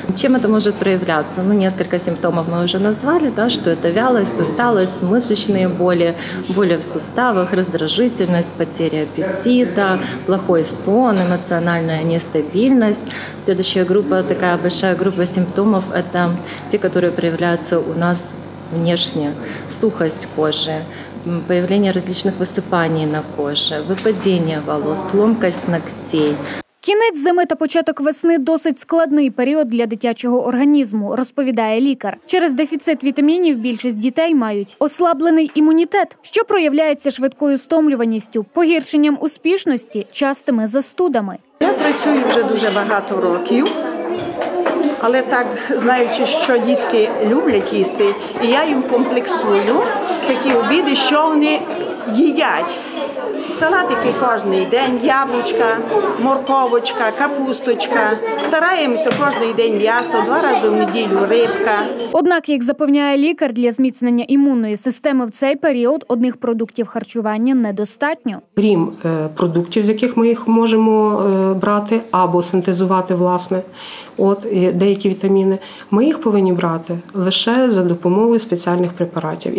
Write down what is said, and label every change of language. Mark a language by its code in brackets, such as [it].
[ru] Чем это может проявляться? Ну, несколько симптомов мы уже назвали, да, что это вялость, усталость, мышечные боли, боли в суставах, раздражительность, потеря аппетита, плохой сон, эмоциональная нестабильность. Следующая группа, такая большая группа симптомов, это те, которые проявляются у нас внешне. Сухость кожи, появление различных высыпаний на коже, выпадение волос, ломкость ногтей. [uk] Кінець зими та початок весни – досить складний період для дитячого організму, розповідає лікар. Через дефіцит вітамінів більшість дітей мають ослаблений імунітет, що проявляється швидкою стомлюваністю, погіршенням успішності, частими застудами. Я працюю вже дуже багато років, але так, знаючи, що дітки люблять їсти, і я їм комплексую такі обіди, що вони їдять. Салатики кожен день, яблучка, морковочка, капусточка. Стараємося кожен день м'ясо, два рази в неділю рибка. Однак, як запевняє лікар, для зміцнення імунної системи в цей період одних продуктів харчування недостатньо. Крім продуктів, з яких ми їх можемо брати або синтезувати власне, от деякі вітаміни, ми їх повинні брати лише за допомогою спеціальних препаратів.